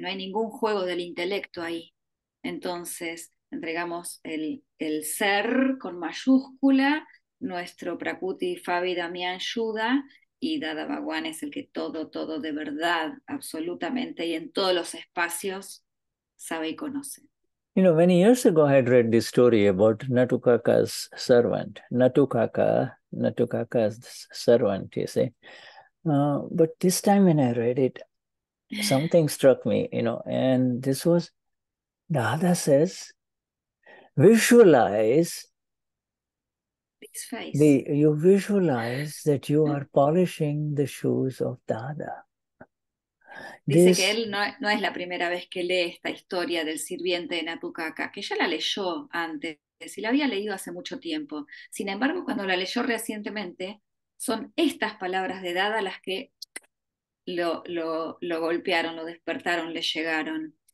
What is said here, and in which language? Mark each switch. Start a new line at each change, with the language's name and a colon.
Spanish: No hay ningún juego del intelecto ahí. Entonces, entregamos el ser con mayúscula. Nuestro Prakuti, Fabi, Damián, Yuda, y Dada Bhagwan es el que todo, todo de verdad, absolutamente y en todos los espacios sabe y conoce.
English: You know, many years ago I had read this story about Natukaka's servant. Natukaka's servant, you see. But this time when I read it, something struck me, you know, and this was, Dada says, visualize. Face. The, you visualize that you are polishing the shoes of Dada.
Spanish: Dice
English: this,
Spanish: que él no, no es la primera vez que lee esta historia del sirviente de Natukaka, que ya la leyó antes y la había leído hace mucho tiempo. Sin embargo, cuando la leyó recientemente, son estas palabras de Dada las que lo golpearon, lo despertaron, le llegaron.